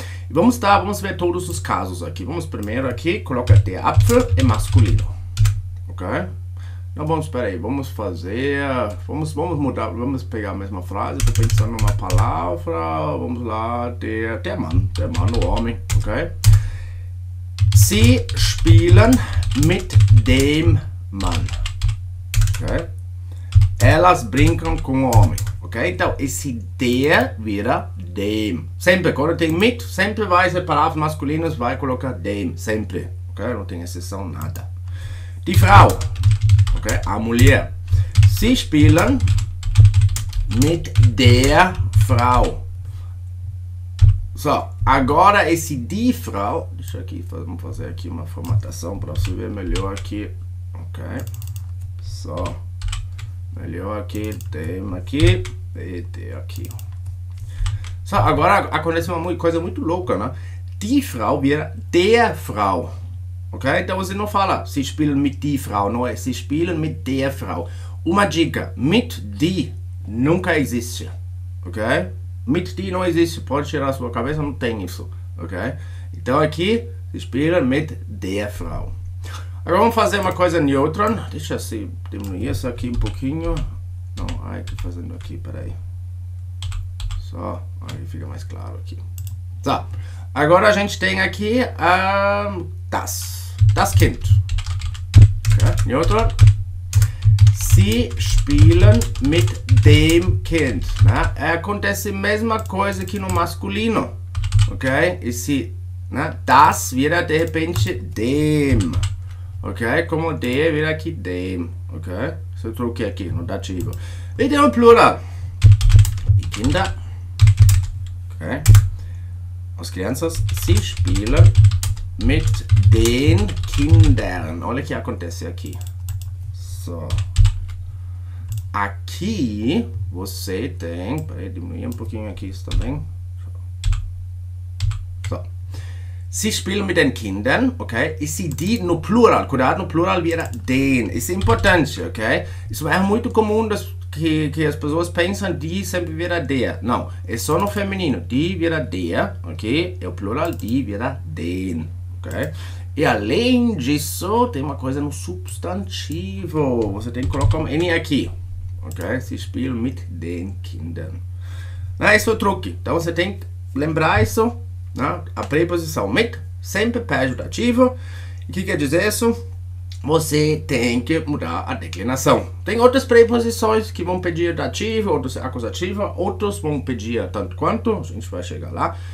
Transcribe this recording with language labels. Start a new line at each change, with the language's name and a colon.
Portuguese: Vamos ver todos os casos aqui. Vamos primeiro aqui, coloca der Apfel é masculino, ok? Não, vamos, espera aí, vamos fazer. Vamos mudar, vamos pegar a mesma frase, tô pensando numa palavra. Vamos lá, der Mann, o homem, ok?
German: Sie spielen mit dem Mann.
Portuguese: Okay? Elas brincam com o homem, ok? Então esse der vira dem. Sempre quando tem mit, sempre vai separar as masculinas, vai colocar dem, sempre, ok? Não tem exceção nada. Die Frau, ok? A mulher.
German: Sie spielen mit der Frau.
Portuguese: Só, agora esse die Frau, deixa aqui, vamos fazer aqui uma formatação para você ver melhor aqui, ok? Só. Melhor aqui, tema aqui e tem aqui. Só agora acontece uma coisa muito louca, né? Die Frau vira der Frau. Ok? Então você não fala
German: Sie spielen mit die Frau,
Portuguese: não é
German: Sie spielen mit der Frau.
Portuguese: Uma dica: mit die nunca existe. Ok? Mit die não existe. Pode tirar a sua cabeça, não tem isso. Ok? Então aqui,
German: Sie spielen mit der Frau.
Portuguese: Agora vamos fazer uma coisa neutra. Deixa eu diminuir isso aqui um pouquinho. Não, ai, tô fazendo aqui, peraí. Só, aí fica mais claro aqui. Tá. Agora a gente tem aqui das Kind. Okay. Neutra.
German: Sie spielen mit dem Kind.
Portuguese: Né? Acontece a mesma coisa aqui no masculino. Ok? E se, né? Das vira de repente dem. Ok? Como der, vira aqui dem. Ok? Se eu troquei aqui no dativo. Vediamo o plural. I Kinder. Ok? As crianças.
German: Sie spielen mit den Kindern.
Portuguese: Olha o que acontece aqui. Só. Aqui você tem. Peraí, diminuir um pouquinho aqui isso também.
German: Sie spielen mit den Kindern,
Portuguese: ok? E se die no plural, cuidado, no plural vira den. Isso é importante, ok? Isso é muito comum que as pessoas pensam die sempre vira der. Não, é só no feminino. Die vira der, ok? E o plural die vira den, ok? E além disso, tem uma coisa no substantivo. Você tem que colocar um N aqui, ok?
German: Sie spielen mit den Kindern.
Portuguese: Não, esse é o truque. Então você tem que lembrar isso. Não? A preposição mit sempre pede o dativo. O que quer dizer isso? Você tem que mudar a declinação. Tem outras preposições que vão pedir o dativo, outros acusativo, outros vão pedir tanto quanto. A gente vai chegar lá.